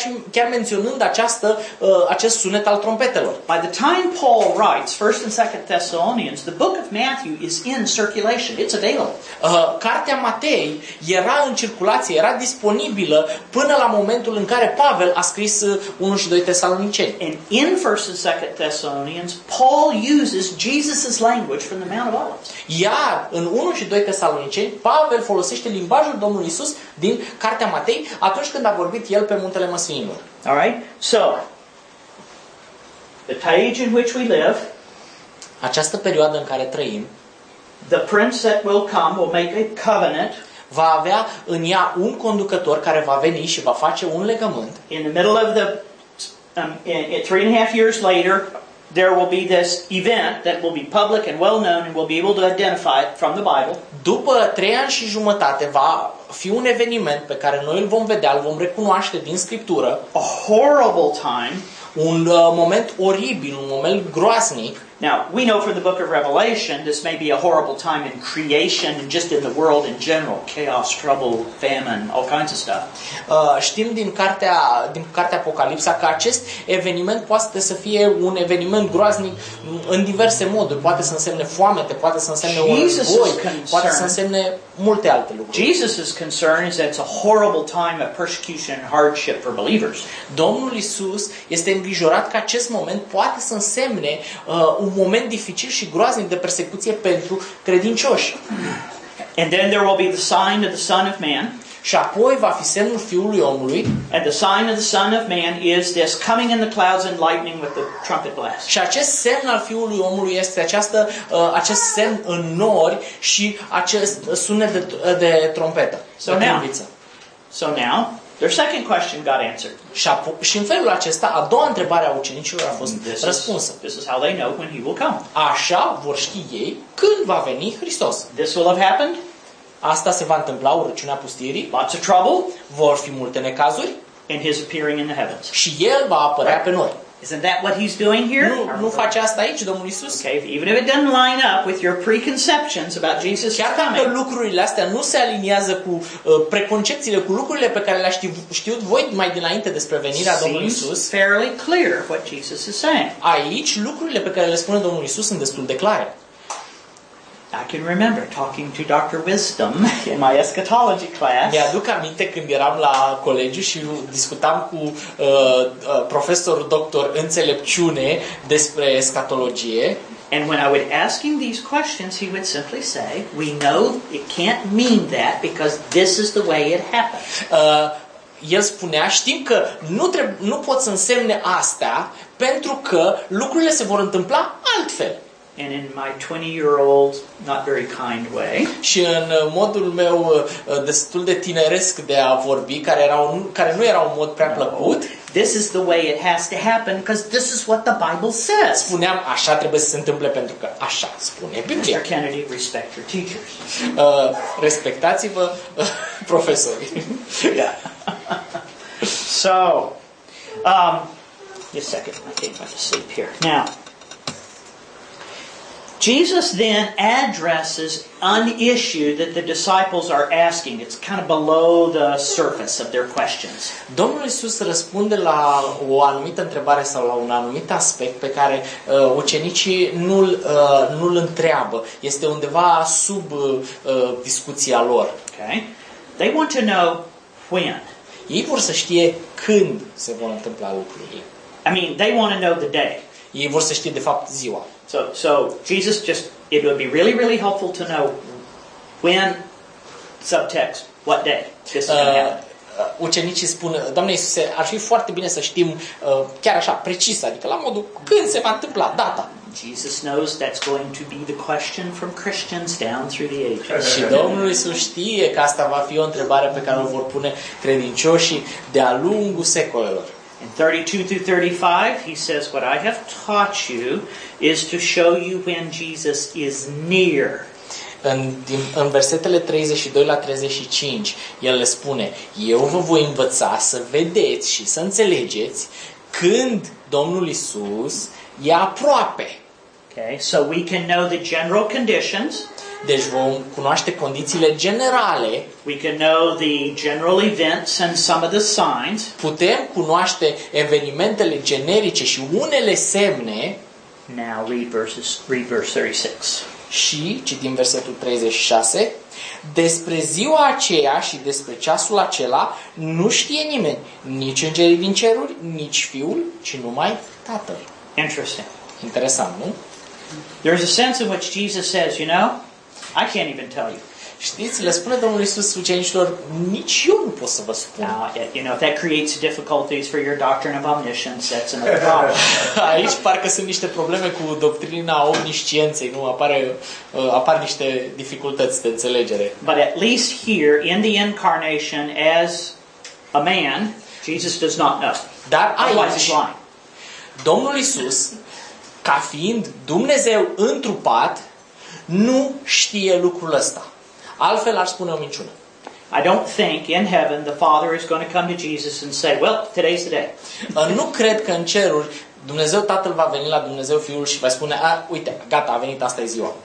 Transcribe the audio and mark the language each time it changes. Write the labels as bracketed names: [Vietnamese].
[Romanian] chiar menționând această acest sunet al trompetelor. [English] By the time Paul writes 1st and 2nd Thessalonians, the book of Matthew is in circulation. It's available. [Romanian] Cartea Matei era în circulație, era disponibilă până la momentul în care Pavel a scris 1 și 2 Tesaloniceni. [English] And in 1st and 2nd Thessalonians, Paul uses Jesus's language from the Mount of Olives. [Romanian] Iar în 1 și 2 Tesaloniceni, Pavel folosește limbajul Domnului Isus din Cartea Matei atunci când a vorbit el pe Muntele Măslinilor. [English] All right? So, the age in which we live, [Romanian] această perioadă în care trăim, [English] the prince that will come will make a covenant, [Romanian] va avea în ea un conducător care va veni și va face un legământ. [English] In the middle of the in 3.5 years later, there will be this event that will be public and well known and we'll be able to identify it from the Bible. [Romanian] După 3 ani și jumătate va fi un eveniment pe care noi îl vom vedea, îl vom recunoaște din Scriptură. [English] A horrible time, [Romanian] un moment oribil, un moment groaznic. [English] Now, we know from the book of Revelation this may be a horrible time in creation and just in the world in general, chaos, trouble, famine, all kinds of stuff. [Romanian] Știm din cartea Apocalipsa că acest eveniment poate să fie un eveniment groaznic în diverse moduri, poate să însemne foamete, poate să însemne război, poate să însemne multe alte lucruri. [English] Jesus's concern is that it's a horrible time of persecution and hardship for believers. [Romanian] Domnul Iisus este îngrijorat că acest moment poate să însemne un moment dificil și groaznic de persecuție pentru credincioși. [English] And then there will be the sign of the Son of Man. [Romanian] Și apoi va fi semnul Fiului Omului. [English] And the sign of the Son of Man is this coming in the clouds and lightning with the trumpet blast. [Romanian] Și acest semn al Fiului Omului este acest semn în nori și acest sunet de trompetă. [English] So now their second question got answered. [Romanian] Și în felul acesta, a doua întrebare a ucenicilor a fost răspunsă. [English] This is how they know when he will come. [Romanian] Așa vor ști ei când va veni Hristos. [English] This will have happened. [Romanian] Asta se va întâmpla, urăciunea pustirii. [English] Lots of trouble. [Romanian] Vor fi multe necazuri. [English] And his appearing in the heavens. [Romanian] Și el va apărea pe noi. [English] Isn't that what he's doing here? [Romanian] Nu face asta aici, Domnul Iisus? [English] Okay, even if it doesn't line up with your preconceptions about Jesus coming. [Romanian] Chiar dacă lucrurile astea nu se aliniază cu preconcepțiile, cu lucrurile pe care le-a știut voi mai dinainte despre venirea Domnului Iisus. [English] Fairly clear what Jesus is saying. [Romanian] Aici, lucrurile pe care le spune Domnul Iisus sunt destul de clare. [English] I can remember talking to Dr. Wisdom in my eschatology class. [Romanian] Mi-aduc aminte când eram la colegiu și discutam cu profesorul doctor înțelepciune despre eschatologie. [English] And when I would ask him these questions, he would simply say, "We know it can't mean that because this is the way it happened." [Romanian] El spunea, știm că nu pot să însemne asta pentru că lucrurile se vor întâmpla altfel. [English] And in my 20-year-old, not very kind way. [Romanian] Și în modul meu destul de tineresc de a vorbi, care nu era un mod prea plăcut. [English] This is the way it has to happen because this is what the Bible says. [Romanian] Spuneam, așa trebuie să se întâmple pentru că așa spune Biblia. [English] Mr. Kennedy, respect your teachers. [Romanian] Respectați-vă profesorii. [English] Yeah. So, just a second, I think I'm going to sleep here. Now, Jesus then addresses an issue that the disciples are asking. It's kind of below the surface of their questions. [Romanian] Domnul Iisus răspunde la o anumită întrebare sau la un anumit aspect pe care ucenicii nu-l întreabă. Este undeva sub discuția lor. [English] Okay. They want to know when. [Romanian] Ei vor să știe când se vor întâmpla lucrurile. [English] I mean, they want to know the day. [Romanian] Ei vor să știe de fapt ziua. [English] So Jesus just, it would be really, really helpful to know when, subtext, what day this is going to happen. [Romanian] Ucenicii spun, Doamne Iisuse, ar fi foarte bine să știm chiar așa, precis, adică la modul când se va întâmpla, data. [English] Jesus knows that's going to be the question from Christians down through the ages. [Romanian] Și Domnul Iisus știe că asta va fi o întrebare pe care o vor pune credincioșii de-a lungul secolelor. [English] In 32 through 35, he says, "What I have taught you is to show you when Jesus is near." [Romanian] În versetele 32 la 35, el le spune, "Eu vă voi învăța să vedeți și să înțelegeți când Domnul Iisus e aproape." [English] Okay, so we can know the general conditions. [Romanian] Deci vom cunoaște condițiile generale. [English] We can know the general events and some of the signs. [Romanian] Putem cunoaște evenimentele generice și unele semne. [English] Now read verse 36. [Romanian] Și citim versetul 36. Despre ziua aceea și despre ceasul acela nu știe nimeni, nici îngerii din ceruri, nici Fiul, ci numai Tatăl. [English] Interesting. [Romanian] Interesant, nu? [English] There is a sense in which Jesus says, you know, I can't even tell you. [Romanian] Știți, le spune Domnul Iisus ucenicilor, nici eu nu pot să vă spun. [English] Now, you know, if that creates difficulties for your doctrine of omniscience, that's another problem. [Romanian] Aici parcă sunt niște probleme cu doctrina omniscienței, nu? Apar niște dificultăți de înțelegere. [English] But at least here, in the incarnation, as a man, Jesus does not know. [Romanian] Dar aici, Domnul Iisus, ca fiind Dumnezeu întrupat, nu știe lucrul ăsta. Altfel ar spune o minciună. [English] I don't think in heaven the Father is going to come to Jesus and say, well, today's the day. [Romanian] Nu cred că în ceruri Dumnezeu Tatăl va veni la Dumnezeu Fiul și va spune, uite, gata, a venit, asta e ziua.